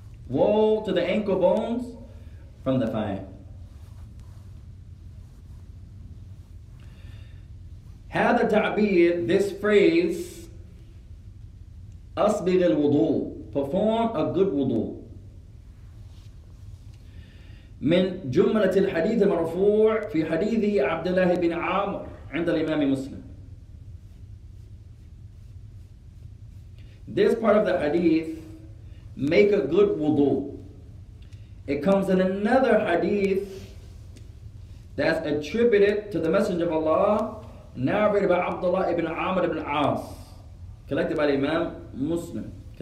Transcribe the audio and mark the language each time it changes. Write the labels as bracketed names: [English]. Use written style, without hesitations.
[English] Woe to the ankle bones from the fire. [Arabic] هذا تعبير, [English] this phrase, [Arabic] أصبغ الوضوء, [English] perform a good wudu. [Arabic] من جملة الحديث المرفوع في حديث عبد الله بن عامر عند الإمام مسلم. [English] This part of the hadith, make a good wudu, it comes in another hadith that's attributed to the Messenger of Allah, narrated by Abdullah ibn Amr ibn As, collected by Imam Muslim.